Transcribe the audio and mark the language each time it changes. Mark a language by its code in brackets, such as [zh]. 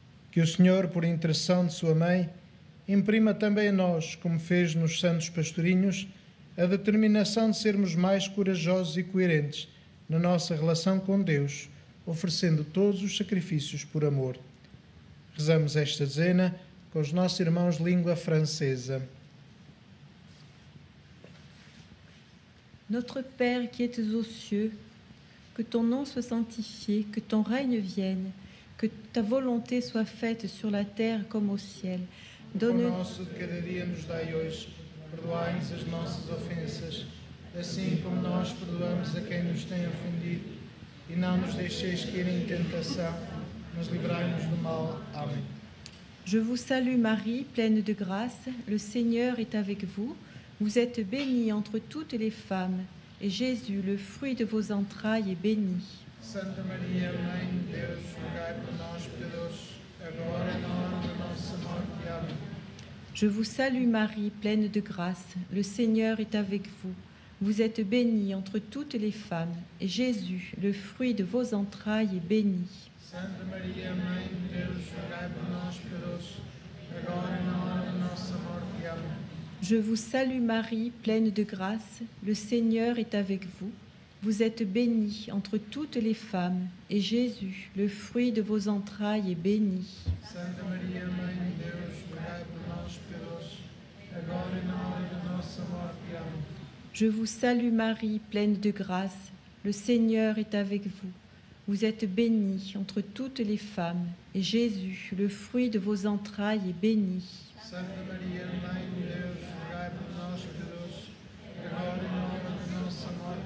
[pt] Que o Senhor, por intercessão de sua mãe, imprima também a nós, como fez nos santos pastorinhos, a determinação de sermos mais corajosos e coerentes na nossa relação com Deus, oferecendo todos os sacrifícios por amor. Rezamos esta dezena com os nossos irmãos de língua francesa. [fr] Notre Père qui es aux cieux, que ton nom soit sanctifié, que ton règne vienne, que ta volonté soit faite sur la terre comme au ciel. Donne-nous. [pt] Pão nosso de cada dia nos dai hoje, perdoai-nos as nossas ofensas, assim como nós perdoamos a quem nos tem ofendido, e não nos deixeis cair em tentação. Mas livrai-nos do mal. Amém. [fr] Je vous salue Marie, pleine de grâce, le Seigneur est avec vous. Vous êtes bénie entre toutes les femmes, et Jésus, le fruit de vos entrailles, est béni. [pt] Santa Maria, Mãe de Deus, rogai por nós, pecadores, agora e na hora da nossa morte. Amém. [fr] Je vous salue Marie, pleine de grâce, le Seigneur est avec vous. Vous êtes bénie entre toutes les femmes, et Jésus, le fruit de vos entrailles, est béni. [pt] Santa Maria, Mãe de Deus, rogai por nós, pecadores, agora e na hora da nossa morte. Amém. [fr] Je vous salue, Marie, pleine de grâce. Le Seigneur est avec vous. Vous êtes bénie entre toutes les femmes, et Jésus, le fruit de vos entrailles, est béni. [pt] Santa Maria, Mãe de Deus, rogai por nós, pecadores, agora e na hora da nossa morte. Amém. [fr] Je vous salue, Marie, pleine de grâce. Le Seigneur est avec vous. Vous êtes bénie entre toutes les femmes, et Jésus, le fruit de vos entrailles, est béni. Sainte Marie, Mère de Dieu, priez pour nous pécheurs, maintenant et à l'heure de notre mort.